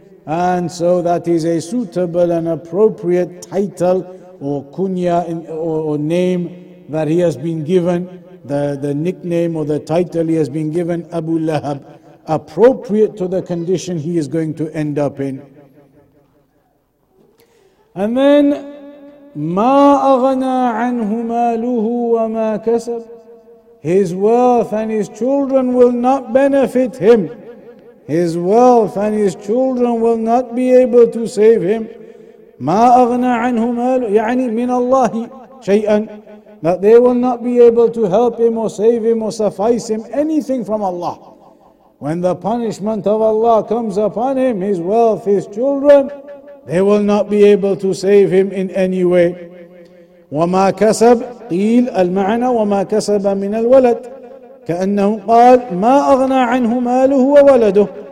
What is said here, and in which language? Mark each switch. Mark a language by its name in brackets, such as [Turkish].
[English] And so that is a suitable and appropriate title or kunya or name that he has been given, the nickname or the title he has been given, Abu Lahab, appropriate to the condition he is going to end up in. And then [Arabic] مَا أَغْنَى عَنْهُ مَالُهُ وَمَا كَسَبْ. [English] His wealth and his children will not benefit him. His wealth and his children will not be able to save him. [Arabic] مَا أَغْنَى عَنْهُ مَالُهُ يعني من الله شيئاً. [English] That they will not be able to help him or save him or suffice him anything from Allah. When the punishment of Allah comes upon him, his wealth, his children, they will not be able to save him in any way. [Arabic] وَمَا كَسَبْ قِيلَ الْمَعْنَى وَمَا كَسَبَ مِنَ الْوَلَدْ كَأَنَّهُ قَالْ مَا أَغْنَى عَنْهُ مَالُهُ وَوَلَدُهُ.